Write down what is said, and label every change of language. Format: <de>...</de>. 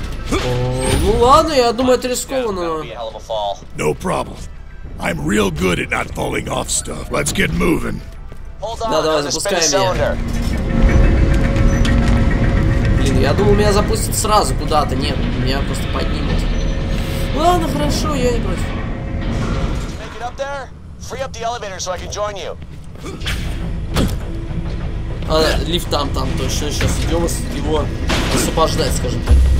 <ru>Ну ладно, я думаю, это рискованно.</ru> <en>No problem. I'm real good at not falling off stuff. Let's get moving.</en> <ru>Да, давай, запускаем я. Блин, я думал, меня запустят сразу куда-то. Нет, меня просто поднимут. Ладно, хорошо, я не против.</ru> <en>Make it up there? Free up the elevator so I can join you.</en> <ru>А, лифт там, там, точно, сейчас идем его освобождать, скажем так.</ru>